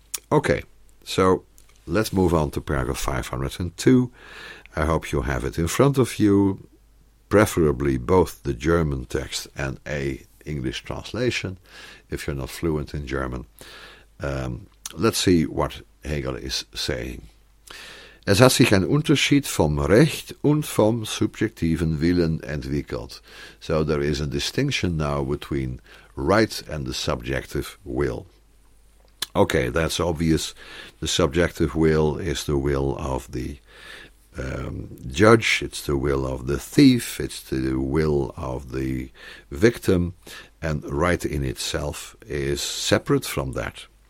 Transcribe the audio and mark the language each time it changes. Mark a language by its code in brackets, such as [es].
[en] Okay, so let's move on to paragraph 502. I hope you have it in front of you, preferably both the German text and a English translation, if you're not fluent in German. Let's see what Hegel is saying. [de] Es hat sich ein Unterschied vom Recht und vom subjektiven Willen entwickelt. [en] So there is a distinction now between right and the subjective will. Okay, that's obvious. The subjective will is the will of the judge, it's the will of the thief, it's the will of the victim, and right in itself is separate from that.